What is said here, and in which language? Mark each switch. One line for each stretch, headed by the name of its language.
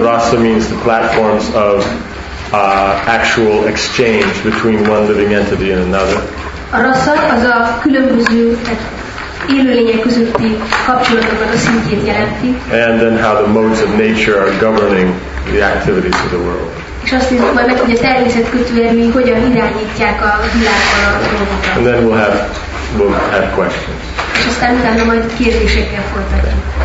English: Rasa means the platforms of actual exchange between one living entity and another.
Hungarian: A rasa az a különböző élőlények közötti kapcsolatokat a szintjét jelenti.
English: And then how the modes of nature are governing the activities of the world.
Hungarian: És azt is majd meg, hogy a természet kötőerői hogyan irányítják a világban a dolgokat.
English: And then we'll have questions.
Hungarian: És aztán utána majd kérdésekkel folytatjuk.